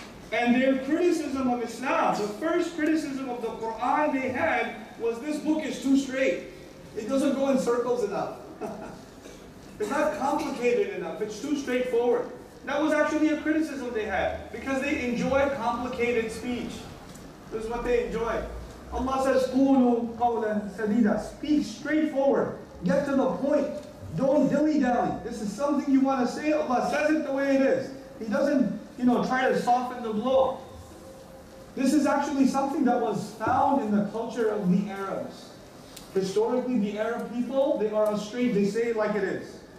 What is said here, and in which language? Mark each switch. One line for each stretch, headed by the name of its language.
English: And their criticism of Islam, the first criticism of the Quran they had, was this book is too straight. It doesn't go in circles enough. It's not complicated enough, it's too straightforward. That was actually a criticism they had, because they enjoy complicated speech. This is what they enjoy.
Arabic: Allah says, قُولُوا قَوْلًا سَدِيدًا.
English: Speak straightforward. Get to the point. Don't dilly-dally. This is something you want to say. Allah says it the way it is. He doesn't, you know, try to soften the blow. This is actually something that was found in the culture of the Arabs. Historically, the Arab people, they are a straight, they say it like it is.